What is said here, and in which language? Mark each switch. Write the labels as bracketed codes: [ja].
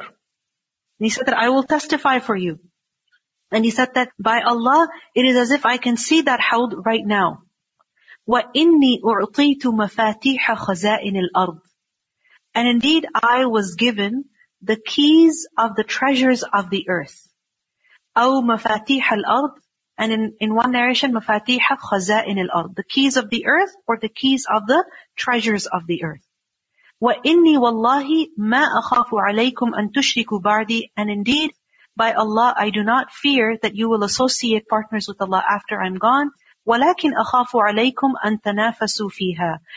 [en] And he said that I will testify for you. And he said that by Allah, it is as if I can see that hawd right now. [ar] وَإِنِّي أُعْطِيتُ مَفَاتِيحَ خَزَائِنِ الْأَرْضِ. [en] And indeed, I was given the keys of the treasures of the earth. [ar] أو مفاتيح الأرض. [en] And in one narration, [ar] مفاتيح خزائن الأرض. [en] The keys of the earth or the keys of the treasures of the earth. [ar] وَإِنِّي وَاللَّهِ مَا أَخَافُ عَلَيْكُمْ أَن تُشْرِكُوا بَعْدِي. [en] And indeed, by Allah, I do not fear that you will associate partners with Allah after I'm gone. [ar] وَلَكِنْ أَخَافُ عَلَيْكُمْ أَن تَنَافَسُوا فِيهَا.